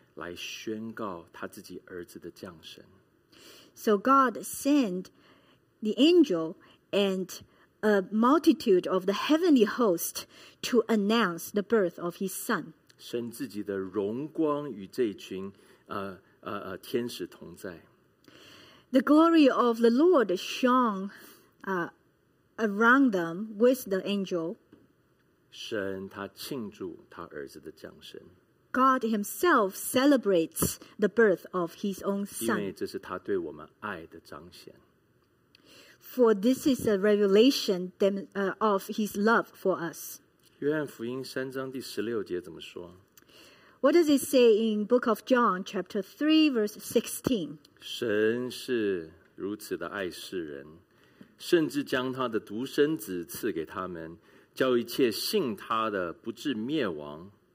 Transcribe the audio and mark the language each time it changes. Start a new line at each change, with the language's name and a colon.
Chinese: 来宣告他自己儿子的降生。
English: So God sent the angel and a multitude of the heavenly host to announce the birth of his son.
Chinese: 神自己的荣光与这群天使同在。
English: The glory of the Lord shone, around them with the angel.
Chinese: 神他庆祝他儿子的降生。
English: God himself celebrates the birth of his own son.
Chinese: 因为这是他对我们爱的彰显。
English: For this is a revelation of his love for us.
Chinese: 约翰福音三章第十六节怎么说？
English: What does it say in Book of John, chapter 3, verse 16?
Chinese: 神是如此的爱世人，甚至将他的独生子赐给他们，叫一切信他的不至灭亡。